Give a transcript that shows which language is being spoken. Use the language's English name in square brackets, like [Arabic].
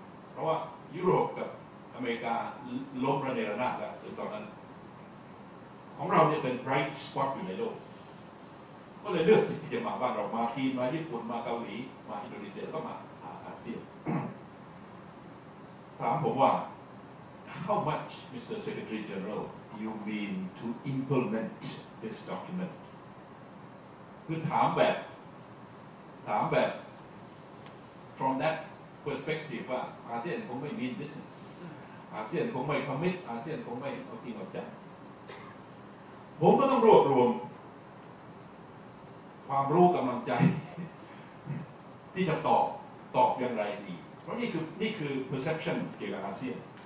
[Thai] เพราะว่ายุโรปกับอเมริกาล้มระเนระนาดแล้วถึงตอนนั้นของเราเนี่ยเป็นไบรท์สปอตอยู่ในโลกก็เลยเลือกที่จะมาบ้านเรามาจีนมาญี่ปุ่นมาเกาหลีมาอินโดนีเซียก็มาอาเซียน ถามผมว่า [English] How much, Mr. Secretary General, you mean to implement this document? [Thai] คือถามแบบ [English] from that perspective [Thai] ว่าอาเซียนคงไม่ [English] mean business, [Thai] อาเซียนคงไม่ commit, อาเซียนคงไม่เอาจริงเอาจังผมก็ต้องรวบรวมความรู้กำลังใจที่จะตอบอย่างไรดีเพราะนี่คือ perception เกี่ยวกับอาเซียน